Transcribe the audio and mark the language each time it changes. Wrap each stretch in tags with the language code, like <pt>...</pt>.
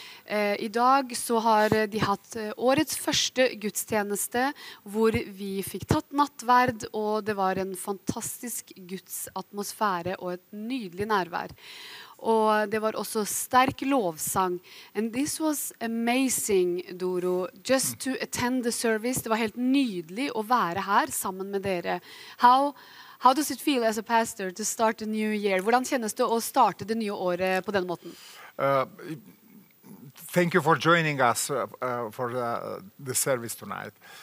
<no>I dag så har de hatt årets første gudstjeneste, hvor vi fikk tatt nattverd, og det var en fantastisk gudsatmosfære og et nydelig nærvær. Og det var også sterk lovsang.</no> <en>And this was amazing, Doro, just to attend the service.</en> <no>Det var helt nydelig å være her sammen med dere.</no> <en>How does it feel as a pastor to start a new year?</en> <no>Hvordan kjennes det å starte det nye året på den måten?</no> <en>Thank you for joining us for the service tonight.</en>